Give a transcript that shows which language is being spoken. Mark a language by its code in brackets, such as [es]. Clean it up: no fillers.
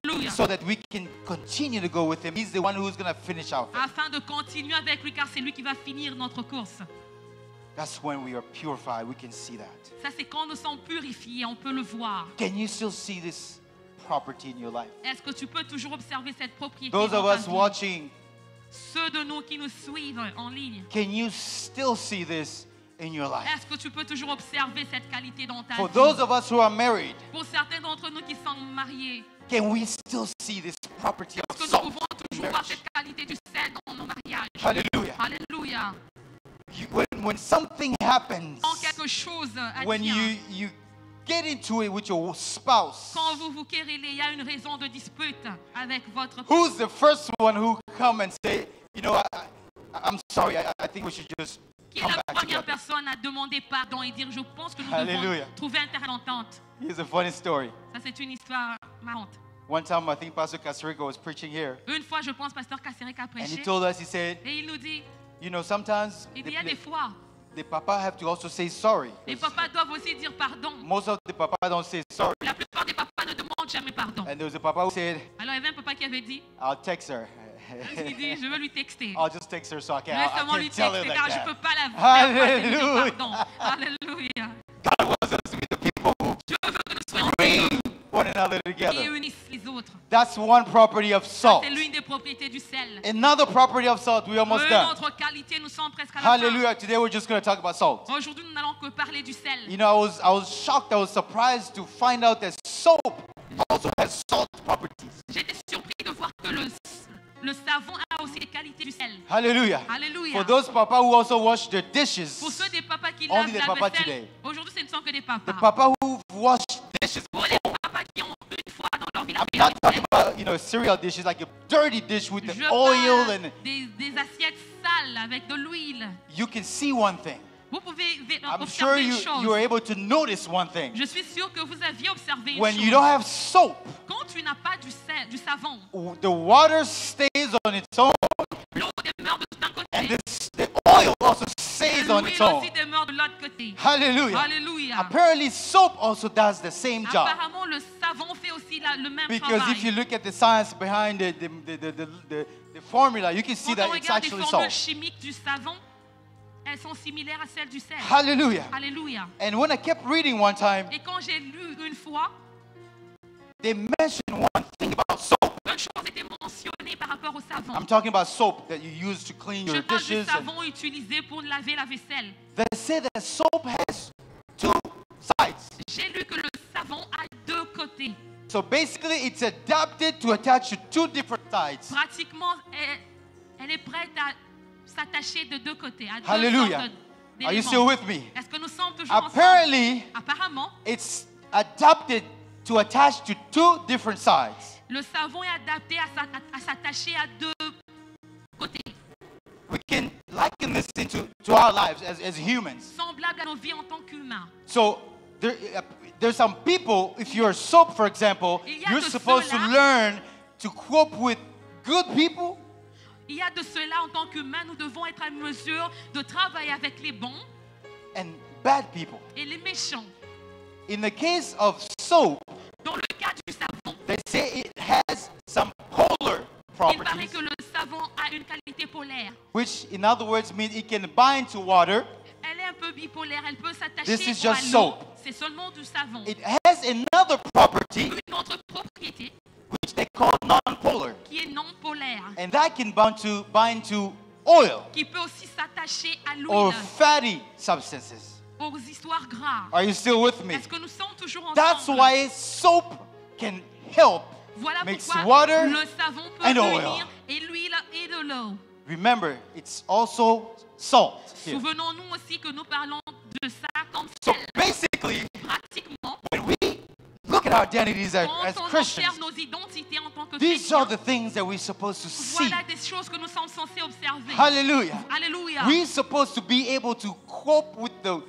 [en] So that we can continue to go with him. He's the one who's going to finish our course. [fr] Afin de continuer avec lui car c'est lui qui va finir notre course. [en] That's when we are purified, we can see that. [fr] Ça c'est quand nous sommes purifiés, on peut le voir. [en] Can you still see this property in your life? [fr] Est-ce que tu peux toujours observer cette propriété? [en] Those of us watching, [fr] ceux de nous qui nous suivent en ligne. [en] Can you still see this in your life? [fr] Est-ce que tu peux toujours observer cette qualité dans ta vie? [en] For those of us who are married, [fr] pour certains d'entre nous qui sont mariés, [en] can we still see this property of [fr] Est-ce Que nous pouvons toujours voir cette qualité du sel dans nos mariages? [en] Hallelujah. [fr] Hallelujah. [en] When something happens, [fr] quand quelque chose advient, [en] when you get into it with your spouse, [fr] quand vous vous querellez, il y a une raison de dispute avec votre. [en] Who's the first one who come and say, you know, I'm sorry, I think we should just [fr] Qui est la première personne à demander pardon et dire, je pense que nous [en] Hallelujah. [fr] Devons trouver un terrain d'entente. [en] Here's a funny story. [fr] Ça c'est une histoire marrante. [en] One time, I think Pastor Casirico was preaching here. [fr] Une fois, je pense Pasteur Casirico a prêché. [en] And he told us, he said. [fr] Et il nous dit. [en] You know, sometimes the papa have to also say sorry. [fr] Les papas doivent aussi dire pardon. [en] Most of the papa don't say sorry. [fr] La plupart des papas ne demandent jamais pardon. [en] And there was a papa who said. [fr] Alors il y avait un papa qui avait dit. [en] I'll text her. [fr] Il dit, je veux lui texter. [en] I'll just text her so I can. [fr] Laisse-moi lui texter car [en] like [fr] je [en] that. [fr] Peux pas la. [en] Hallelujah. [fr] Hallelujah. [en] God wants us to be the people who bring one another together. [fr] Et unis les autres. [en] That's one property of salt. [fr] C'est l'une des propriétés du sel. [en] Another property of salt, we almost done. [fr] Une autre qualité, nous sommes presque à la [en] Hallelujah. [fr] Fin. [en] Today we're just going to talk about salt. [fr] Aujourd'hui, nous n'allons que parler du sel. [en] You know, I was shocked, I was surprised to find out that soap also has salt properties. [fr] J'étais surpris de voir que le savon a aussi les qualités du sel. [en] Hallelujah. [fr] Hallelujah. [en] For those papa who also wash the dishes. [fr] Pour ceux des papas qui [en] only [fr] lavent [en] the papa [fr] la vaisselle. [en] Today. [fr] Aujourd'hui, ce ne sont que des papas. [en] The papa who wash dishes. [fr] Pour les papas qui ont une fois dans leur vie. [en] I'm not talking about, you know, cereal dishes like a dirty dish with [fr] Je [en] the oil and [fr] des assiettes sales avec de l'huile. [en] You can see one thing. [fr] Vous pouvez observer [en] I'm sure you are able to notice one thing. [fr] Je suis sûr que vous aviez observé [en] When [fr] une chose. [en] You don't have soap, [fr] quand tu n'as pas du savon, [en] the water stays on its own. [fr] L'eau demeure de l'autre côté. [en] And the oil also stays on its own. [fr] L'huile aussi demeure de l'autre côté. [en] Hallelujah. [fr] Hallelujah. [en] Apparently, soap also does the same job. [fr] Apparemment, le savon fait aussi le même [en] Because [fr] travail. [en] Because if you look at the science behind the formula, you can see [fr] quand [en] that it's actually salt. [fr] Quand on regarde les formules chimiques du savon. Elles sont similaires à celles du sel. [en] Hallelujah. [fr] Hallelujah. [en] And when I kept reading one time, [fr] et quand j'ai lu une fois, [en] they mentioned one thing about soap. [fr] Une chose était mentionnée par rapport au savon. [en] I'm talking about soap that you use to clean [fr] Je [en] your [fr] parle [en] dishes. [fr] Du savon utilisé pour laver la vaisselle. [en] They say that soap has two sides. [fr] J'ai lu que le savon a deux côtés. [en] So basically, it's adapted to attach to two different sides. [fr] Pratiquement, elle est prête à s'attacher de deux côtés à deux [en] Hallelujah. [fr] Sortes [en] Are you still with me? [fr] Est-ce que nous sommes toujours [en] Apparently, [fr] ensemble? Apparemment, [en] it's adapted to attach to two different sides. [fr] Le savon est adapté à s'attacher à deux côtés. [en] We can liken this into our lives as humans. [fr] Semblable à nos vies en tant qu'humains. [en] So there's some people if you're soap for example, you're supposed [fr] ceux-là. [en] To learn to cope with good people. [fr] Il y a de cela en tant qu'humain, nous devons être à mesure de travailler avec les bons [en] and bad people. [fr] Et les méchants. [en] In the case of soap, [fr] dans le cas du savon, [en] they say it has some polar properties. [fr] Il paraît que le savon a une qualité polaire. [en] Which, in other words, means it can bind to water. [fr] Elle est un peu bipolaire. Elle peut s'attacher [en] this is [fr] à [en] just [fr] l'eau. [en] Soap. [fr] C'est seulement du savon. [en] It has another property, [fr] une autre propriété, [en] which they call non-polar, [fr] qui est non-polaire. [en] And that can bind to oil, [fr] qui peut aussi s'attacher à l'huile, [en] or fatty substances. [fr] Aux histoires gras. [en] Are you still with me? [fr] Est-ce que nous sommes toujours ensemble? [en] That's why soap can help. [fr] Voilà [en] mix [fr] pourquoi [en] water [fr] le savon peut [en] and [fr] venir [en] oil. [fr] Et l'huile et de l'eau. [en] Remember, it's also salt. Here. [fr] Souvenons-nous aussi que nous parlons de ça comme [en] so basically, [fr] pratiquement, [en] when we look at our identities as Christians, [fr] nos identités en tant que [en] these [fr] chrétiens, [en] are the things that we're supposed to [fr] voilà [en] see. [fr] Des choses que nous sommes censés observer. [en] Hallelujah. [fr] Hallelujah. [en] We're supposed to be able to cope with the